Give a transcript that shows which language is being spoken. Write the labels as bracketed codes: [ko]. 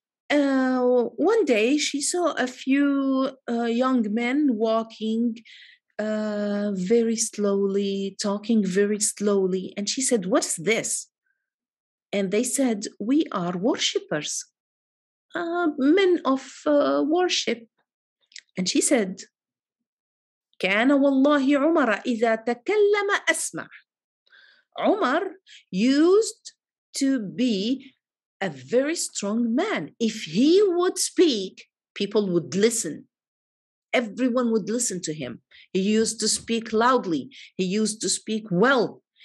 [en] One day she saw a few young men walking very slowly, talking very slowly. And she said, what's this? And they said, we are worshippers, men of worship. And she said, [ar] كَانَ وَاللَّهِ عُمَرَ إِذَا تَكَلَّمَ أَسْمَعْ. [en] Umar used to be a very strong man. If he would speak, people would listen. Everyone would listen to him. He used to speak loudly. He used to speak well.